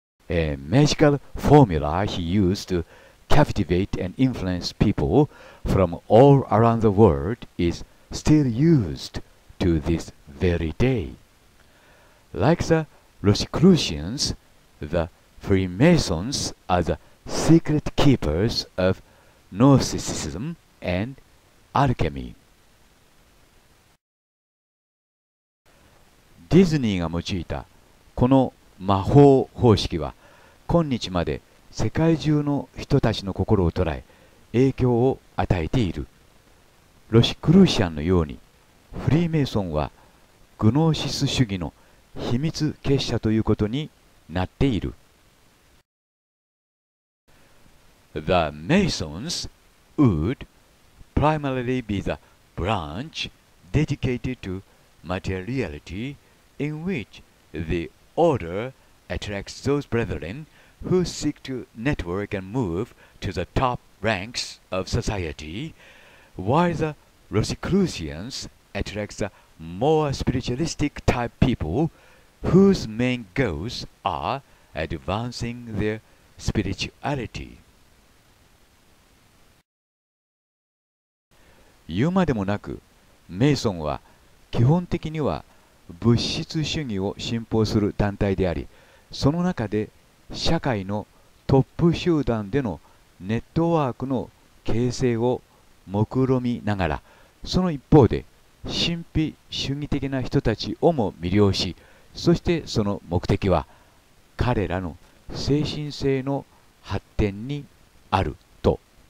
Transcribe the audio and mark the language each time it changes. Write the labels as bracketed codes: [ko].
[en] A magical formula he used to captivate and influence people from all around the world is still used to this very day. Like the Rosicrucians, the Freemasons are the secret keepers of Gnosticism and Alchemy. [ja] ディズニーが用いたこの魔法方式は今日まで世界中の人たちの心を捉え影響を与えている。ロシクルーシアンのようにフリーメイソンはグノーシス主義の秘密結社ということになっている。 [en] The Masons would primarily be the branch dedicated to materiality in which the order attracts those brethren who seek to network and move to the top ranks of society, while the Rosicrucians attract the more spiritualistic type people whose main goals are advancing their spirituality. [ja] 言うまでもなく、メイソンは基本的には物質主義を信奉する団体であり、その中で社会のトップ集団でのネットワークの形成を目論みながら、その一方で神秘主義的な人たちをも魅了し、そしてその目的は彼らの精神性の発展にあると。